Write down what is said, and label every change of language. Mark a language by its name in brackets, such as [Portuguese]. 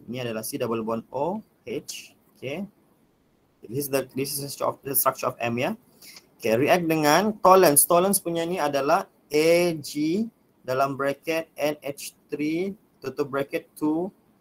[Malay] Ini adalah C double bond O H. Okay. [English] This is the structure of M ya. Yeah? [Malay] Okay, react dengan tolens. Tolens punya ni adalah AG dalam bracket NH3 tutup bracket 2.